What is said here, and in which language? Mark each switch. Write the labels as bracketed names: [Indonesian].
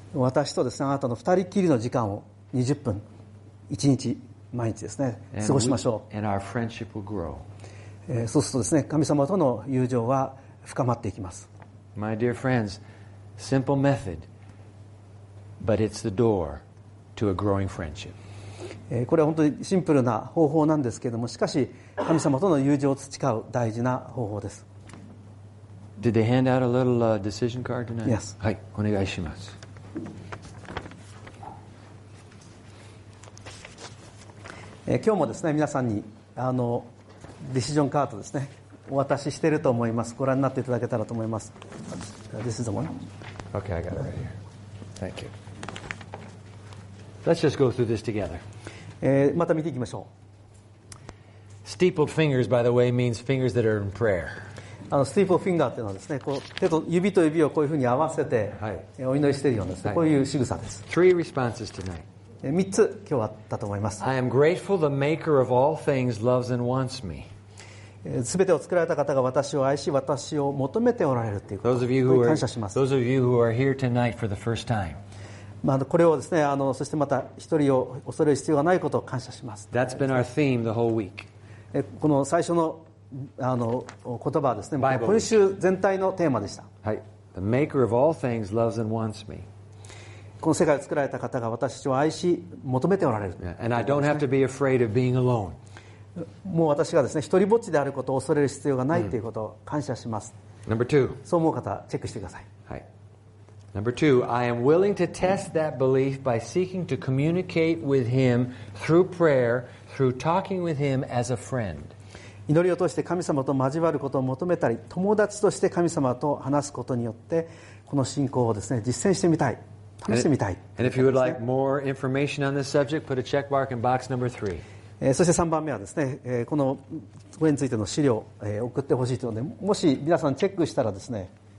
[Japanese] 私とですね、あなたの2人きりの時間を20分、1日毎日ですね、過ごしましょう。 [English] And our friendship will grow. [Japanese] そうするとですね、神様との友情は深まっていきます。 [English] My dear friends, simple method, but it's the door to a growing friendship. [Japanese] これは本当にシンプルな方法なんですけれども、しかし神様との友情を培う大事な方法です。 [English] Did they hand out a little decision card tonight? Yes. [Japanese] はい、お願いします。今日もですね、皆さんにディシジョンカードですね、お渡ししていると思います。ご覧になっていただけたらと思います。 [English] This is the one. Okay, I got it right here. Thank you. Let's just go through this together. [Japanese] また見ていきましょう。 [English] Steepled fingers, by the way, means fingers that are in prayer. [Japanese] Steepled finger というのはですね、こう手と指と指をこういうふうに合わせて、はい、お祈りしているようなですね、はい、こういう仕草です。 [English] Three responses tonight. [Japanese] 三つ今日あったと思います。 [English] I am grateful the maker of all things loves and wants me. [Japanese] すべてを作られた方が私を愛し、私を求めておられるということ。 [English] Those of you who are, [Japanese] 感謝します。 [English] Those of you who are here tonight for the first time. [Japanese] まあ、これをですね、そしてまた一人を恐れる必要がないことを感謝します。 [English] That's been our theme the whole week. [Japanese] この最初の、言葉はですね、今週全体のテーマでした。はい。 [English] The maker of all things loves and wants me. [Japanese] この世界を作られた方が私を愛し、求めておられる。 [English] And I don't have to be afraid of being alone. [Japanese] もう私がですね、一人ぼっちであることを恐れる必要がないということを感謝します。 [English] Number two. [Japanese] そう思う方、チェックしてください。はい。 [English] Number two, I am willing to test that belief by seeking to communicate with him through prayer, through talking with him as a friend. [Japanese] 祈りを通して神様と交わることを求めたり、友達として神様と話すことによって、この信仰をですね、実践してみたい、試してみたい。 [English] And if you would like more information on this subject, put a check mark in box number three. [Japanese] そして3番目はですね、このこれについての資料、送ってほしいというので、もし皆さんチェックしたらですね、